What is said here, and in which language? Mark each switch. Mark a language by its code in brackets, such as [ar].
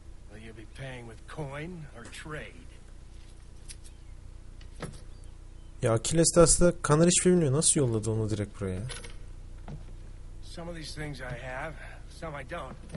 [en] Will you be paying with coin or trade? [tr] Ya Achilles de aslında Connor hiç bilmiyor. Nasıl yolladı onu direkt buraya? [en] Some of these things I have, some I don't.